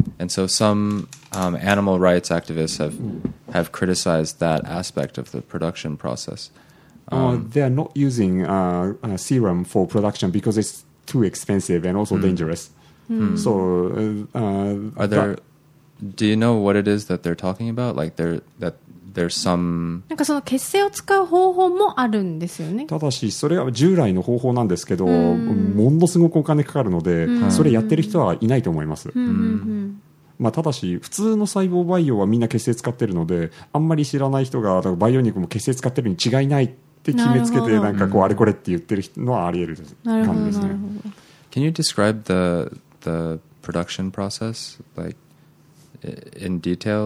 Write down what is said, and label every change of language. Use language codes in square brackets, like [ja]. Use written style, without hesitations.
[en] And so some、animal rights activists have criticized that aspect of the production process.、 They are not using a serum for production because it's too expensive and also、mm. dangerous.、 Mm. So, are there, do you know what it is that they're talking about? Like, there's some... [ja] なんかその血清を使う方法もあるんですよね。ただしそれは従来の方法なんですけど、ものすごくお金かかるので、それやってる人はいないと思います。まあ、ただし普通の細胞培養はみんな血清使ってるので、あんまり知らない人が培養肉も血清使ってるに違いないって決めつけて、なんかこうあれこれって言ってるのはあり得る感じですね。なるほど。 [en] Can you describe the production process like in detail?